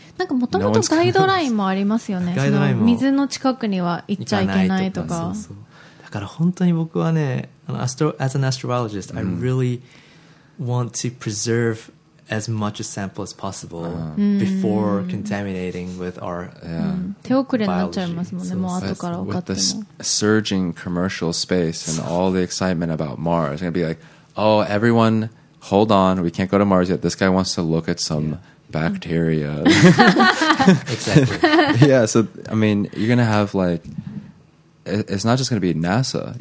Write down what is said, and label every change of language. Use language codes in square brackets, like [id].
[ja] なんかもともとガイドラインもありますよね。ガイドラインも、その水の近くには行っちゃいけないとか。そうそう、だから本当に僕はね、 [en] as an astrologist, I really want to preserve as much a sample as possible before contaminating with our biology. [ja] 手遅れになっちゃいますもんね、もう後から分かっても。 [en] With the surging commercial space and all the excitement about Mars, it's going to be like, oh, everyone... Hold on, we can't go to Mars yet. This guy wants to look at some bacteria. Exactly. Yeah, so, I mean, you're going to have, like, it's not just going to be NASA.